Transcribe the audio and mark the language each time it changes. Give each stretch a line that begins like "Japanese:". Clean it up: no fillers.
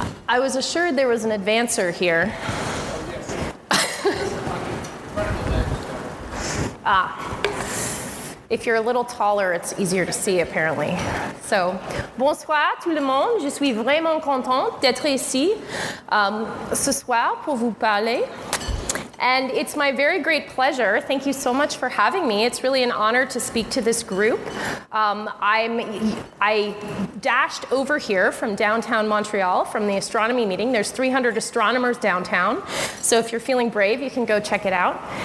English: I was assured there was an advancer here. If you're a little taller, it's easier to see, apparently.
French: So, bonsoir tout le monde. Je suis vraiment contente d'être ici ce soir pour vous parler.
English: And it's my very great pleasure. Thank you so much for having me. It's really an honor to speak to this group. I dashed over here from downtown Montreal from the astronomy meeting. There's 300 astronomers downtown. So if you're feeling brave, you can go check it out.